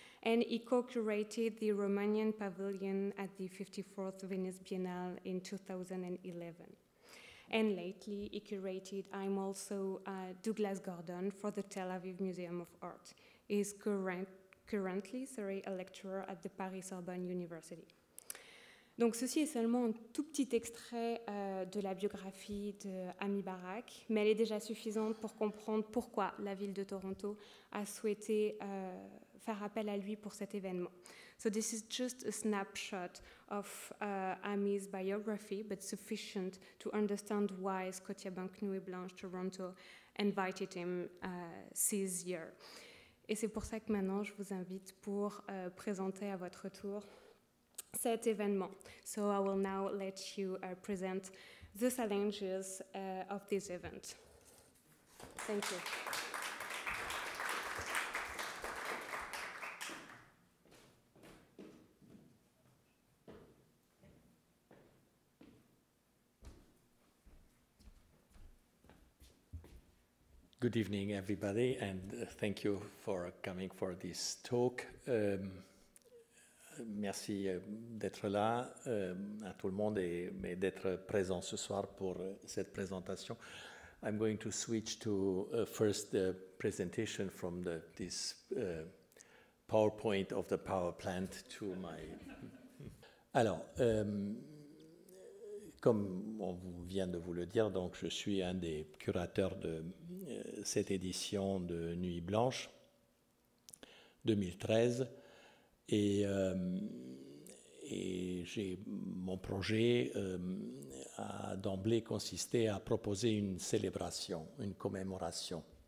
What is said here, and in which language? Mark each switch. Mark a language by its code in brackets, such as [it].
[en] And he co-curated the Romanian Pavilion at the 54th Venice Biennale in 2011. And lately, he curated I'm Also Douglas Gordon for the Tel Aviv Museum of Art. He is currently a lecturer at the Paris Sorbonne University. [fr] Donc ceci est seulement un tout petit extrait de la biographie de Ami Barak, mais elle est déjà suffisante pour comprendre pourquoi la ville de Toronto a souhaité faire appel à lui pour cet événement. [en] So this is just a snapshot of Ami's biography, but sufficient to understand why Scotiabank Nuit Blanche Toronto invited him this year. [fr] Et c'est pour ça que maintenant je vous invite pour présenter à votre tour cet événement. [en] So I will now let you present the challenges of this event. Thank you. Good evening, everybody, and thank you for coming for this talk. [fr] Merci d'être là à tout le monde et mais d'être présent ce soir pour cette présentation. [en] I'm going to switch to first the presentation from this PowerPoint of the power plant to my. [fr] Alors, comme on vient de vous le dire, donc je suis un des curateurs de cette édition de Nuit Blanche 2013. Et mon projet a d'emblée consisté à proposer une célébration, une commémoration.